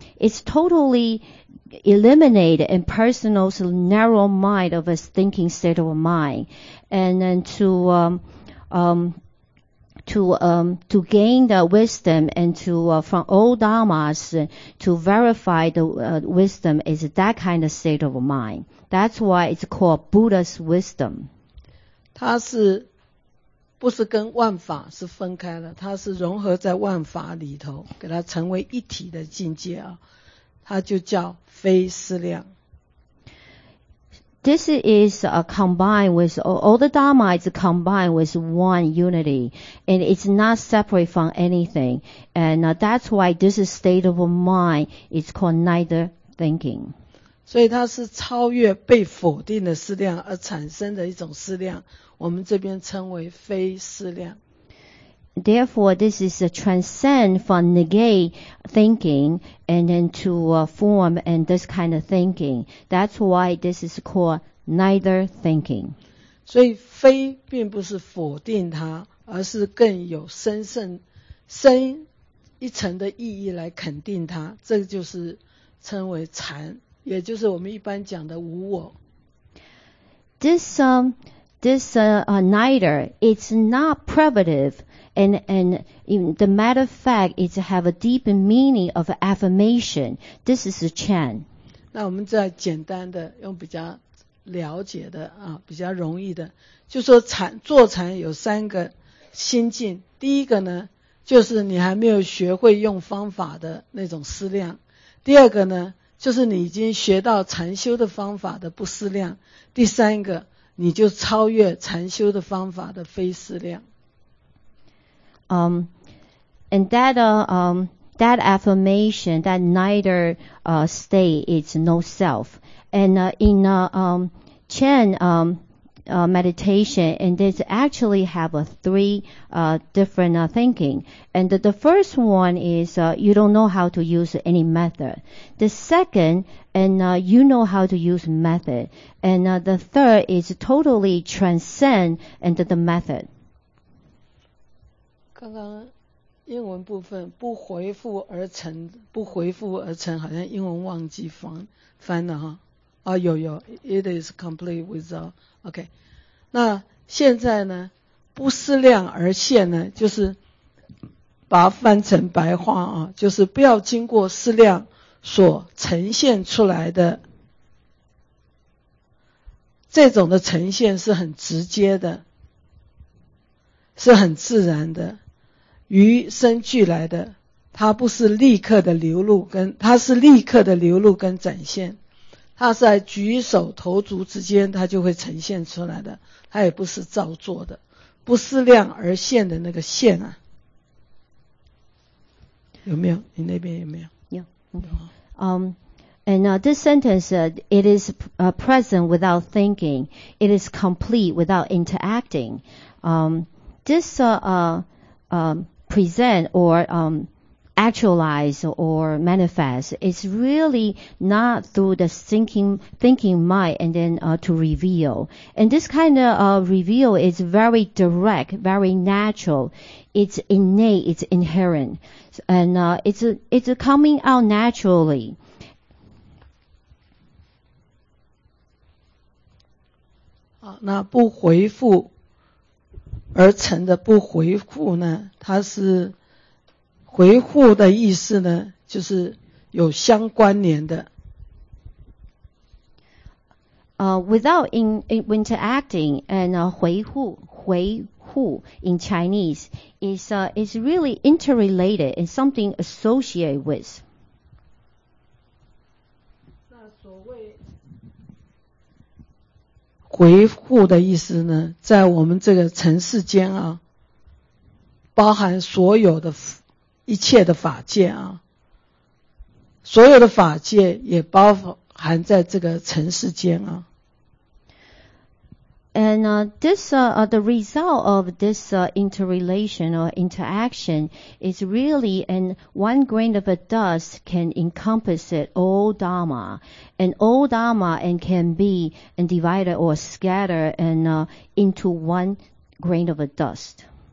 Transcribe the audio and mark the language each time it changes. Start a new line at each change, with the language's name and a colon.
English: It's totally eliminated in personal's narrow mind of a thinking state of mind. And then to gain the wisdom and to from all dharmas to verify the wisdom is that kind of state of mind. That's why it's called Buddha's wisdom.
Chinese: 它是不是跟万法是分开了？它是融合在万法里头，给它成为一体的境界啊！它就叫非思量。
English: This is combined with all the Dharma is combined with one unity, and it's not separate from anything. And that's why this state of mind is called neither thinking.
Chinese: 所以它是超越被否定的思量而产生的一种思量，我们这边称为非思量。
English: Therefore, this is a transcend from negate thinking and then to form and this kind of thinking. That's why this is called neither thinking.
Chinese: 所以非并不是否定它，而是更有深一层的意义来肯定它。这就是称为禅，也就是我们一般讲的无我。
English: This this neither, it's not privative, and in the matter of fact, it have a deep meaning of affirmation. This is a Chan.
Chinese: 那我们再简单的用比较了解的啊，比较容易的，就说禅坐禅有三个心境。第一个呢，就是你还没有学会用方法的那种思量；第二个呢，就是你已经学到禅修的方法的不思量；第三个，你就超越禅修的方法的非思量。
English: That affirmation that neither state is no self. And in Chan meditation, and this actually have three different thinking. And the first one is you don't know how to use any method. The second, you know how to use method. And the third is totally transcend into the method.
Chinese: 刚刚英文部分不回复而成，不回复而成，好像英文忘记翻了哈。啊，有
English: ，it is complete without.
Chinese: OK， 那现在呢，不思量而现呢，就是把它翻成白话啊，就是不要经过思量所呈现出来的这种的呈现是很直接的，是很自然的。与生俱来的，它不是立刻的流露跟，它是立刻的流露跟展现，它是在举手投足之间它就会呈现出来的，它也不是造作的，不思量而现的那个现啊，有没有？你那边有没有？有。
English: And this sentence, it is present without thinking, it is complete without interacting. Present or actualize or manifest is really not through the thinking mind and then to reveal. And this kind of reveal is very direct, very natural. It's innate, it's inherent. And it's coming out naturally.
Chinese: 好，那不回复而成的不回复呢，它是回复的意思呢，就是有相关联的。
English: Without interacting and 回复 in Chinese is really interrelated and something associated with.
Chinese: 那所谓回复的意思呢，在我们这个尘世间啊，包含所有的一切的法界啊，所有的法界也包含在这个尘世间啊。
English: And the result of this interrelation or interaction is really, and one grain of dust can encompass it all Dharma, and all Dharma and can be and divided or scattered and into one grain of dust.